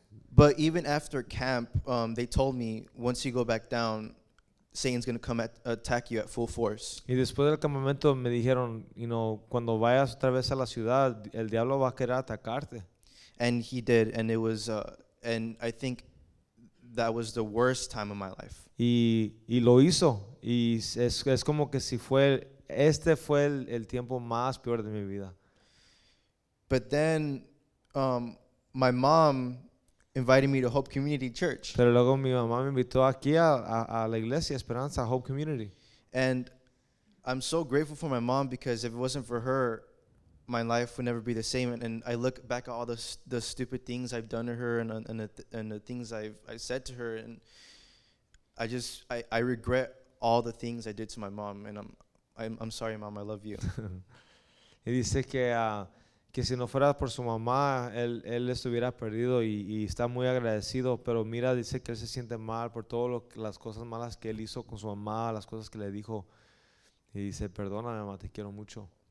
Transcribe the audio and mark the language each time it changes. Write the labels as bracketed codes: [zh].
[en] But even after camp, they told me, once you go back down, Satan's going to come attack you at full force. [es] Y después del campamento me dijeron, [en] you know, [es] cuando vayas otra vez a la ciudad, el diablo va a querer atacarte. [en] And he did, and it was, and I think that was the worst time of my life. [es] Y lo hizo, y es como que si fue, este fue el tiempo más peor de mi vida. [en] But then, my mom invited me to Hope Community Church. [es] Pero luego mi mamá me invitó aquí a la iglesia Esperanza, Hope Community. [en] And I'm so grateful for my mom, because if it wasn't for her, my life would never be the same. And I look back at all the stupid things I've done to her and the things I've said to her, and I regret all the things I did to my mom. And I'm sorry, mom. I love you. [es] Y dice que si no fuera por su mamá, él estuviera perdido, y está muy agradecido. Pero mira, dice que él se siente mal por todas las cosas malas que él hizo con su mamá, las cosas que le dijo. Y dice, perdóname, mamá, te quiero mucho.